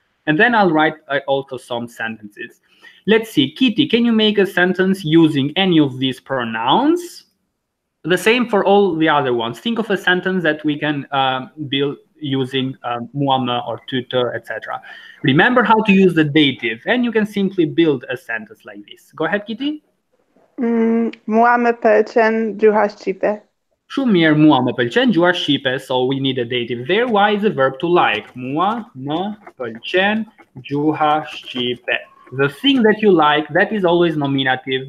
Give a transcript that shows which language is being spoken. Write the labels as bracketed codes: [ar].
[en] And then I'll write also some sentences. Let's see, Kitty, can you make a sentence using any of these pronouns? The same for all the other ones. Think of a sentence that we can build using muama or tutor, etc. Remember how to use the dative, and you can simply build a sentence like this. Go ahead, Kitty. [sq] Muama pëlqen gjuha shqipe. Shumë mirë, muama pëlqen gjuha shqipe. [en] So we need a dative there. Why is a verb to like? [sq] Mua më pëlqen gjuha shqipe. [en] The thing that you like, that is always nominative.